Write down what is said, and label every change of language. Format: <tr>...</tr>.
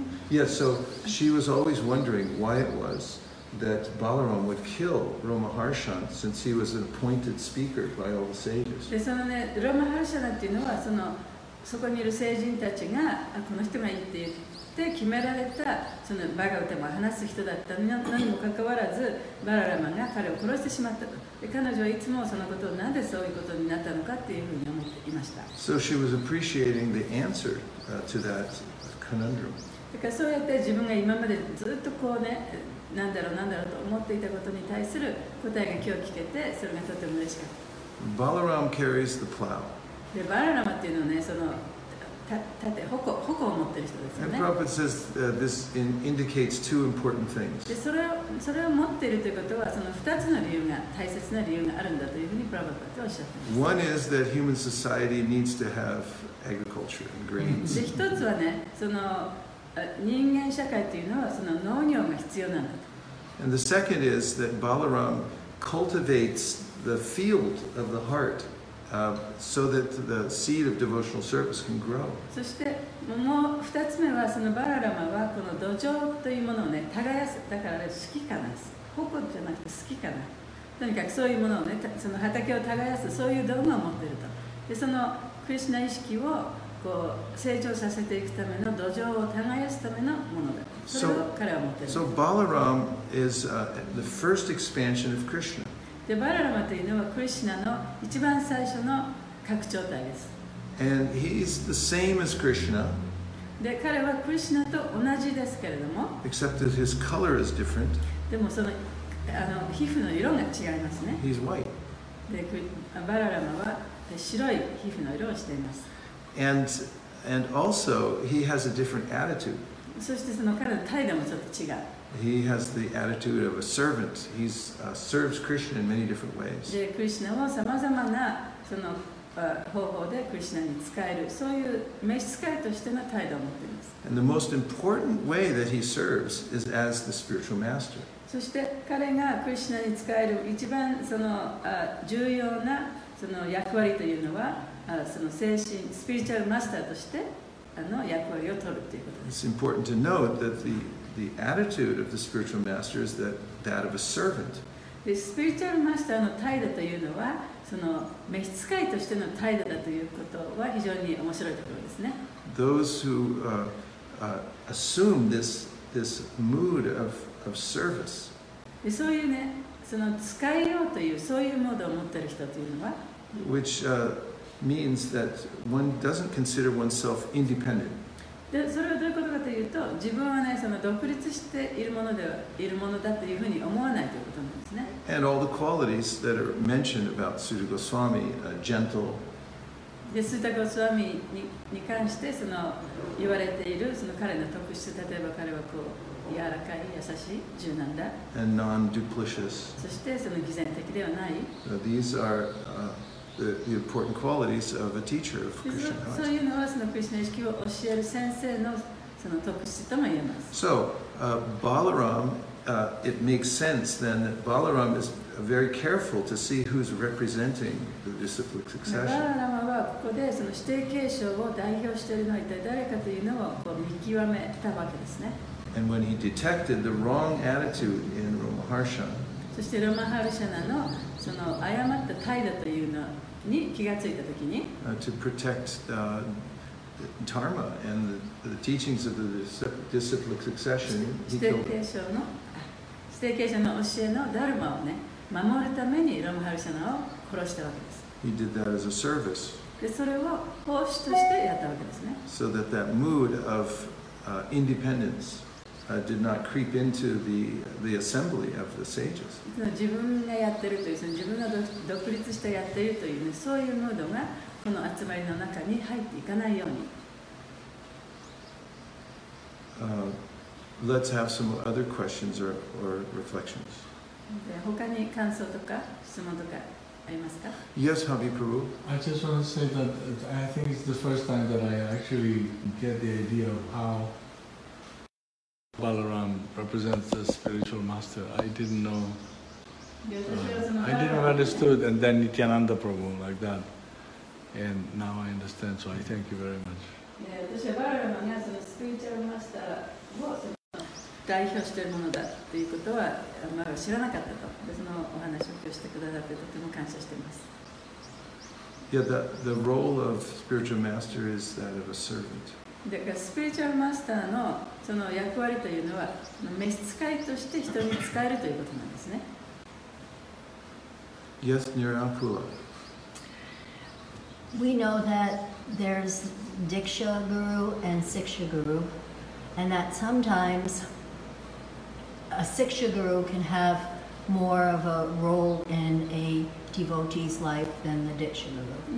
<en>Yeah, so she was always wondering why it was that Balaram would kill Roma Harshan since he was an appointed speaker by all the sages.</en> <ja>で、そのね、ロマハルシャナっていうのはその、そこにいる聖人たちが、あ、この人がいいって言って決められた、そのバガウタも話す人だったのに、何にもかかわらず、バララマが彼を殺してしまったと。で、彼女はいつもそのことをなんでそういうことになったのかっていうふうに思っていました。</ja> <en>So she was appreciating the answer to that conundrum.</en> <ja>だからそうやって自分が今までずっとこうね、何だろう何だろうと思っていたことに対する答えが今日聞けてそれがとても嬉しかった。</ja> <en>Balaram carries the plow.</en> <ja>で、バラーラマっていうのはね、その盾、矛を持ってる人ですよね。</ja> <en>And Prabhupada says this indicates two important things.</en> <ja>で、それを持っているということはその2つの理由が、大切な理由があるんだというふうにプラバッパっておっしゃってます。</ja> <en>One is that human society needs to have agriculture and grains.</en> <ja>で、1つはね、その人間社会というのはその農業が必要なんだと。</ja> <en>And the second is that Balaram cultivates the field of the heart so that the seed of devotional service can grow.</en> <ja>そしてもう二つ目はそのバラーラマはこの土壌というものをね耕す。だからあれ好きかな、ほこじゃなくて好きかな。とにかくそういうものをね、その畑を耕す、そういう道具を持っていると。で、そのクリシナ意識をこう成長させていくための土壌を耕すためのものだ。それを彼は持っている。</ja> <en>So Balaram is the first expansion of Krishna.</en> <ja>で、バララマというのはクリシナの一番最初の拡張体です。</ja> <en>And he is the same as Krishna.</en> <ja>で、彼はクリシナと同じですけれども。</ja> <en>Except that his color is different.</en> <ja>でもその、あの皮膚の色が違いますね。</ja> <en>He's white.</en> <ja>で、バララマは白い皮膚の色をしています。</ja> <en>And also he has a different attitude.</en> <ja>そしてその彼の態度もちょっと違う。</ja> <en>He has the attitude of a servant. He serves Krishna in many different ways.</en> <ja>で、クリシナをさまざまなその方法でクリシナに使える、そういう召使いとしての態度を持っています。</ja> <en>And the most important way that he serves is as the spiritual master.</en> <ja>そして彼がクリシナに使える一番その重要なその役割というのは。その精神スピリチュアルマスターとしてあの役割を取るということです。</ja> <en>It's important to note that the attitude of the spiritual master is that of a servant.</en> <ja>で、スピリチュアルマスターの態度というのはその召使いとしての態度だということは非常に面白いところですね。</ja> <en>Those who assume this mood of service.</en> <ja>で、そういうね、その使いようというそういうモードを持っている人というのは、</ja> <en>which means that one doesn't consider oneself independent.</en> <ja>で、それはどういうことかというと、自分はね、その独立しているものではいるものだというふうに思わないということなんですね。</ja> <en>And all the qualities that are mentioned about Suta Goswami, gentle.</en> <ja>で、スータゴスワミに関してその言われているその彼の特質、例えば彼はこう柔らかい、優しい、柔軟だ。</ja> <en>And non-duplicious.</en> <ja>そしてその偽善的ではない。</ja> <en>So、these are、the important qualities of a teacher of Krishna</en> <ja>そういうのはそのクリスナ意識を教える先生のその特質とも言えます。</ja> <en>So, Balaram,it makes sense then that Balaram is very careful to see who's representing the disciplic succession.</en> <ja>Balaram はここでその指定継承を代表しているのは一体誰かというのをこう見極めたわけですね。</ja> <en>And when he detected the wrong attitude in Ramaharsha,</en> <ja>そしてロマハルシャナのその誤った態度というのに気がついたときに、</ja> <en>to protect、Dharma and the teachings of the disciplic succession, he killed.</en> <ja>聖経者の教えのダルマをね、守るためにロムハルシャナを殺したわけです。</ja> <en>He did that as a service.</en> <ja>で、それを奉仕としてやったわけですね。</ja> <en>So that that mood of independence did not creep into the assembly of the sages.</en> <ja>自分がやってるという、その自分が独立してやってるというね、そういうムードがこの集まりの中に入っていかないように。</ja> <en>Let's have some other questions or reflections.</en> <ja>他に感想とか質問とかありますか?</ja> <en>Yes, Habib Prabhu. I just want to say that I think it's the first time that I actually get the idea of how Balaram represents the spiritual master. I didn't know. I didn't understood, and then Nityananda Prabhu like that, and now I understand. So I thank you very much.</en> <ja>Yeah, 私はバラマがそのスピリチュアルマスターを代表しているものだということはあまり知らなかったと、でそのお話を聞いてくださってとても感謝しています。</ja> <en>Yeah, the role of spiritual master is that of a servant.</en> <ja>だからスピリチュアルマスターのその役割というのは召使いとして人に使えるということなんですね。</ja> <en>Yes, Nirankula. We know that there's Diksha Guru and Siksha Guru, and that sometimes. A Siksha Guru can have more of a role in a devotee's life than the Diksha Guru.</en>